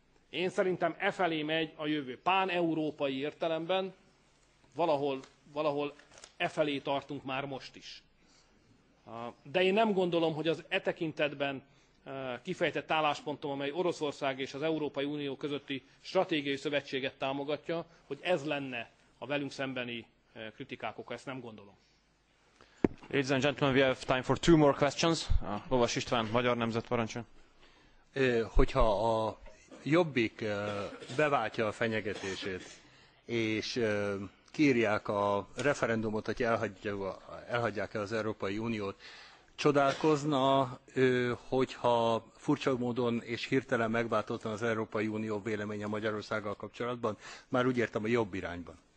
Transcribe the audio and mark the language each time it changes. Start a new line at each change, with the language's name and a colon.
Hungarian: Én szerintem e felé megy a jövő. Pán-európai értelemben valahol e felé tartunk már most is. De én nem gondolom, hogy az e tekintetben kifejtett álláspontom, amely Oroszország és az Európai Unió közötti stratégiai szövetséget támogatja, hogy ez lenne a velünk szembeni kritikák oka. Ezt nem gondolom.
English: Ladies and gentlemen, we have time for two more questions.
Hungarian: Lovas István, Magyar Nemzet parancsa. Hogyha a Jobbik beváltja a fenyegetését, és kírják a referendumot, hogy elhagyják-e az Európai Uniót, csodálkozna, hogyha furcsa módon és hirtelen megváltozna az Európai Unió véleménye Magyarországgal kapcsolatban, már úgy értem, a jobb irányban.